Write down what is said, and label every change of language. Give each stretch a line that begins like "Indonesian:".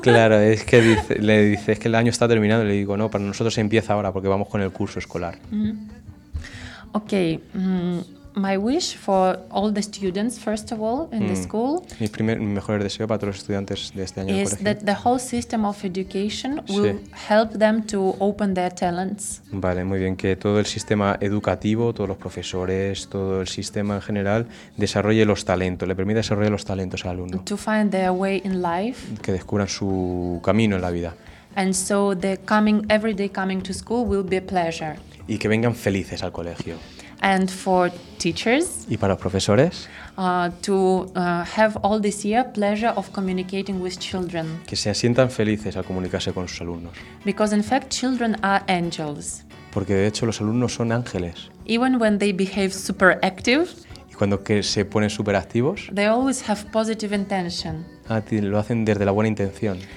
Spanish: Claro, es que dice, le dice, es que el año está terminando. Le digo, no, para nosotros empieza ahora porque vamos con el curso escolar. Mm-hmm.
English: Okay, my wish for all the students, first of all, in the school.
Spanish: Mi mejor deseo para todos los estudiantes de este año.
English: Is that the whole system of education will help them to open their talents.
Spanish: Vale, muy bien. Que todo el sistema educativo, todos los profesores, todo el sistema en general, desarrolle los talentos, le permita desarrollar los talentos al alumno.
English: To find their way in life.
Spanish: Que descubran su camino en la vida.
English: And so the coming, every day coming to school will be a pleasure.
Spanish: Y que vengan felices al colegio.
English: And for teachers,
Spanish: y para los profesores,
English: have all this year pleasure of communicating with children,
Spanish: que se sientan felices al comunicarse con sus alumnos,
English: because in fact children are angels,
Spanish: porque de hecho los alumnos son ángeles,
English: even when they behave super active,
Spanish: y cuando que se ponen super activos,
English: they always have positive intention,
Spanish: lo hacen desde la buena intención.